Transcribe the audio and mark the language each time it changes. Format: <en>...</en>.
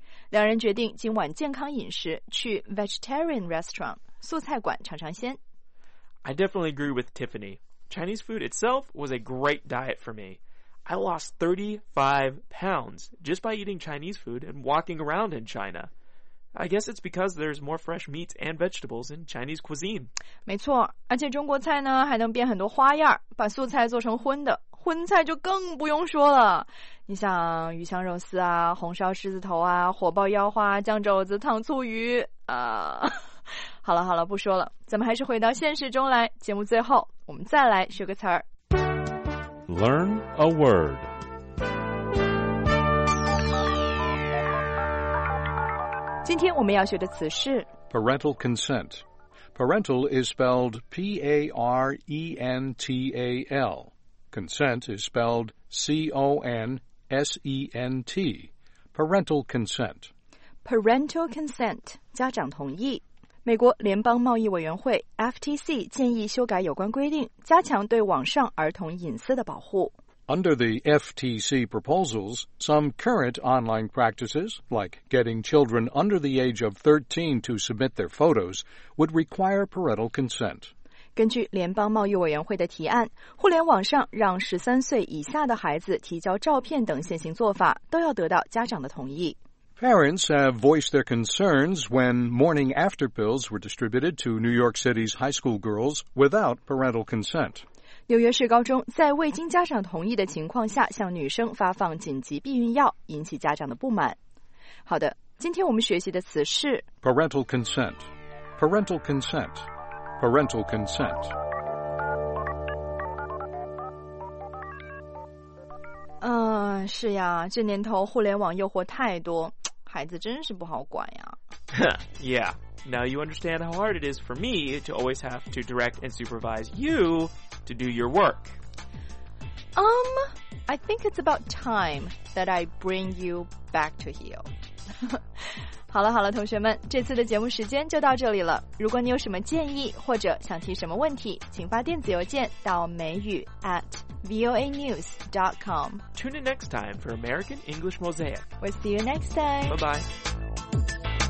<zh>两人决定今晚健康饮食，去</zh> <en>vegetarian restaurant,</en> <zh>素菜馆尝尝鲜。</zh> <en>I definitely agree with Tiffany. Chinese food itself was a great diet for me. I lost 35 pounds just by eating Chinese food and walking around in China. I guess it's because there's more fresh meats and vegetables in Chinese cuisine.</en> <zh>没错，而且中国菜呢还能变很多花样，把素菜做成荤的，荤菜就更不用说了。你像鱼香肉丝啊，红烧狮子头啊，火爆腰花，酱肘子，糖醋鱼啊。好了好了，不说了，咱们还是回到现实中来。节目最后，我们再来学个词儿。</zh> <en>Learn a word. Today we're going to learn the word parental consent. Parental is spelled P-A-R-E-N-T-A-L. Consent is spelled C-O-N-S-E-N-T. Parental consent. Parental consent,</en> <zh>家长同意。美国联邦贸易委员会 FTC 建议修改有关规定，加强对网上儿童隐私的保护。</zh> <en>Under the FTC proposals, some current online practices, like getting children under the age of 13 to submit their photos, would require parental consent.</en> <zh>根据联邦贸易委员会的提案，互联网上让13岁以下的孩子提交照片等现行做法，都要得到家长的同意。</zh> <en>Parents have voiced their concerns when morning after pills were distributed to New York City's high school girls without parental consent.</en> <zh>纽约市高中在未经家长同意的情况下向女生发放紧急避孕药，引起家长的不满。好的，今天我们学习的词是</zh> <en>parental consent, parental consent, parental consent.</en> <zh>是呀，这年头互联网诱惑太多。孩子真是不好管呀。</zh> <en>Yeah, now you understand how hard it is for me to always have to direct and supervise you to do your work. I think it's about time that I bring you back to heel.</en> <zh>好了好了，同学们，这次的节目时间就到这里了。如果你有什么建议或者想提什么问题，请发电子邮件到美语@voanews.com.</zh> <en>Tune in next time for American English Mosaic. We'll see you next time. Bye-bye.</en>